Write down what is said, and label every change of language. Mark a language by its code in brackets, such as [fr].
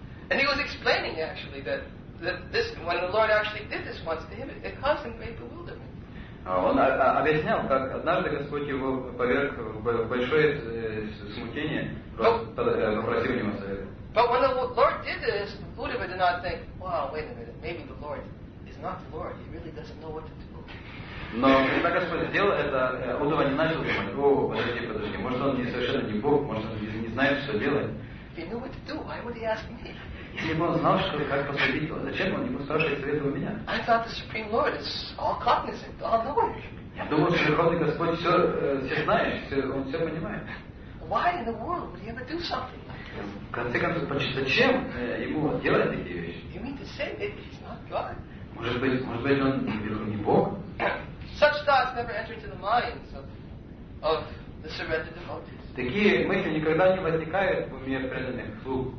[en] And he was explaining actually that this when the Lord actually did this once to him, it caused him great bewilderment. [ru] Он объяснял, как однажды Господь его поверг в большое смутение, попросив у него совета. [en] But when the Lord did this, Uddhava did not think, wow, wait a minute, maybe the Lord is not the Lord. He really doesn't know what to do. [ru] Но когда Господь сделал это, Уддхава не начал думать, о, подожди, может, он совершенно не Бог, может, он не знает, что делать. [en] If he knew what to do, why would he ask me? [ru] Если бы он знал, что как поступить, то зачем он ему спрашивает совета у меня? [en] I thought the Supreme Lord is all cognizant, all knowing. [ru] Я думал, что Верховный Господь все знает, он все понимает. [en] Why in the world would he ever do something? [ru] В конце концов, зачем ему делать такие вещи? [en] You mean to say that he's not God? [ru] Может быть, он не Бог? [en] Such thoughts never enter into the minds of the surrendered devotees. [ru] Такие мысли никогда не возникают в уме преданных слуг.